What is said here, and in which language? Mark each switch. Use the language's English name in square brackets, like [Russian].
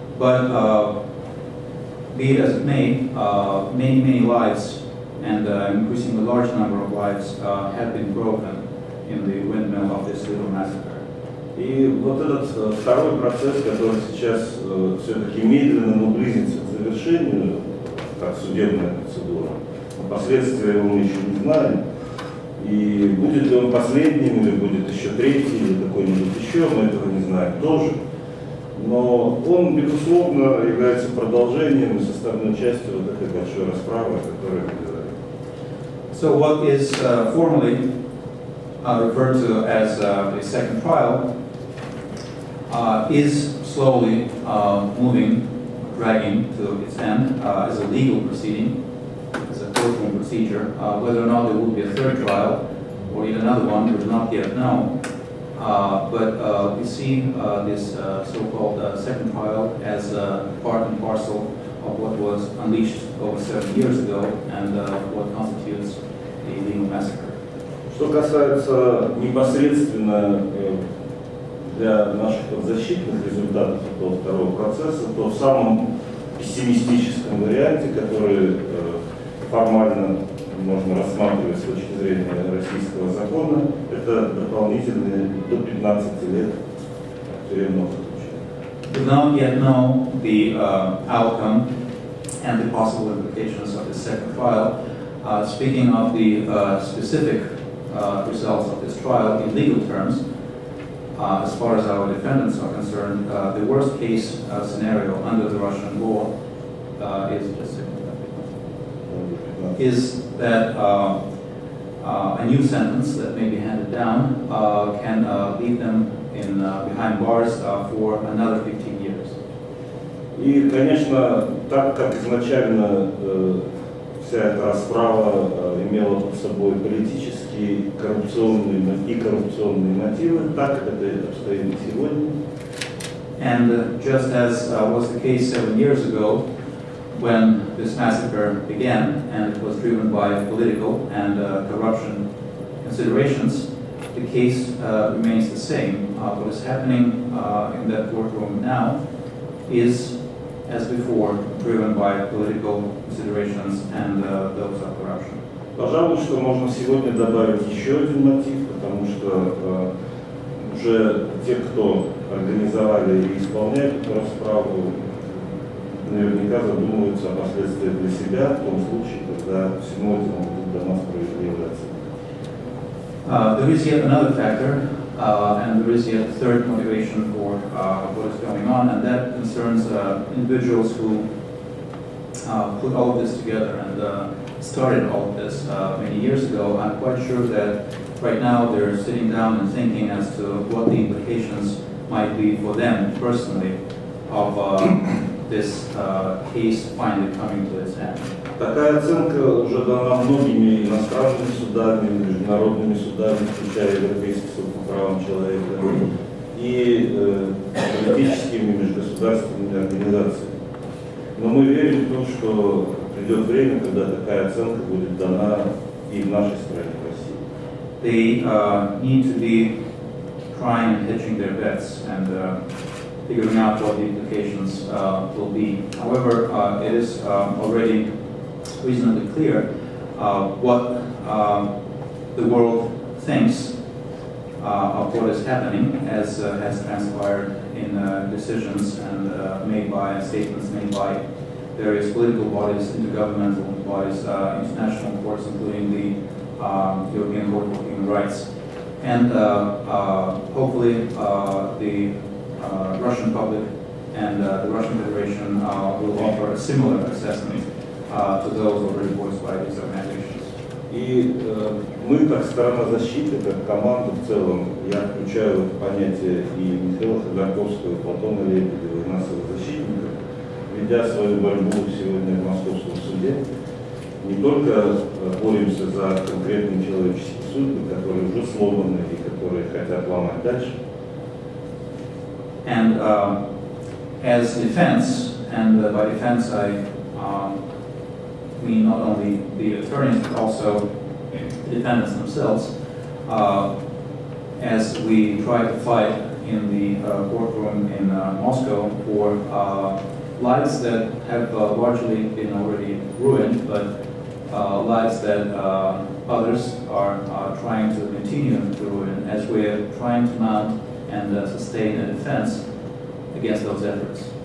[English] But be it as it may, many, many lives, and increasingly large number of lives, have been broken in the windmill of this little massacre. [Russian] И вот этот второй процесс, который сейчас все-таки медленно, но близится к завершению, как судебная процедура, последствия мы еще не знаем. И будет ли он последним, или будет еще третий, или какой-нибудь еще, мы этого не знаем тоже. Но он, безусловно, является продолжением и составной частью вот этой большой расправы, о которой мы говорим. [English] So what is formally referred to as the second trial is slowly moving, dragging to its end as a legal proceeding. Procedure, whether or not there will be a third trial or even another one, we do not yet know. But we see this so-called second trial as part and parcel of what was unleashed over 7 years ago and what constitutes the illegal massacre. [Russian] Что касается непосредственно для наших подзащитных результатов этого второго процесса, то в самом пессимистическом варианте, который формально можно рассматривать с точки зрения российского закона, это дополнительные до 15 лет тюремного заключения. [English] We don't yet know the outcome and the possible implications of the second trial. Speaking of the specific results of this trial in legal terms, as far as our defendants are concerned, the worst case scenario under the Russian law is just is that a new sentence that may be handed down can leave them in behind bars for another 15 years. [Russian] И, конечно, так как изначально вся эта расправа имела под собой политические, коррупционные и коррупционные мотивы, так это обстоит сегодня. [English] And just as was the case 7 years ago, when this massacre began and it was driven by political and corruption considerations, the case remains the same. What is happening in that courtroom now is, as before, driven by political considerations and those of corruption. [Russian] Пожалуй, что можно сегодня добавить еще один мотив, потому что уже те, кто организовали и исполняют эту расправу, наверняка задумываются о последствиях для себя в том случае, когда всему этому будет до нас проявляться. [English] There is yet another factor, and there is yet a third motivation for what is going on, and that concerns individuals who put all of this together and started all of this many years ago. I'm quite sure that right now they're sitting down and thinking as to what the implications might be for them personally of this case finally coming to its end. [Russian] Такая оценка уже дана многими иностранными судами, международными судами, включая Европейский суд по правам человека, и политическими межгосударственными организациями. Но мы верим в то, что придет время, когда такая оценка будет дана и в нашей стране, в России. [English] They need to be trying and hedging their bets and figuring out what the implications will be. However, it is already reasonably clear what the world thinks of what is happening, as has transpired in decisions and made by statements made by various political bodies, intergovernmental bodies, international courts, including the European Court of Human Rights, and hopefully the Russian public and the Russian Federation will offer a similar assessment to those already voiced by these organizations. [Russian] И мы как сторона защиты, как команда в целом, я включаю в понятие и Михаила Ходорковского, Платона Лебедева, нашего защитника, ведя свою борьбу сегодня в Московском суде, не только боремся за конкретные человеческие судьбы, которые уже сломаны и которые хотят ломать дальше. [English] And as defense, and by defense I mean not only the attorneys but also the defendants themselves, as we try to fight in the courtroom in Moscow for lives that have largely been already ruined, but lives that others are trying to continue to ruin as we are trying to mount and sustain a defense against those efforts.